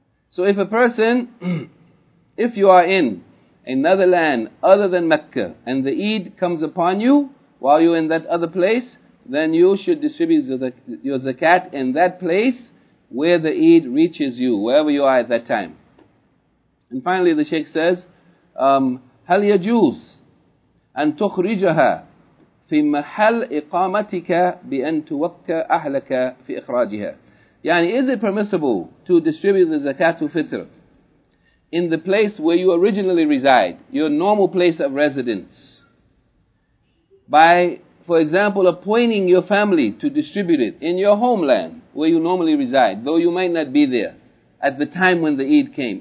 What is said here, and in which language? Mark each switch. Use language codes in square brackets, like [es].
[en] So if a person, if you are in another land other than Mecca, and the Eid comes upon you while you're in that other place, then you should distribute your zakat in that place where the Eid reaches you, wherever you are at that time. And finally, the Shaykh says, [ar] هَلْ يَجُوز أَن تُخْرِجَهَا فِي مَحَلْ إِقَامَتِكَ بِأَن تُوَكَّ أَهْلَكَ فِي إِخْرَاجِهَا. [en] Yani, is it permissible to distribute the zakatul fitr in the place where you originally reside, your normal place of residence, by, for example, appointing your family to distribute it in your homeland where you normally reside, though you might not be there at the time when the Eid came?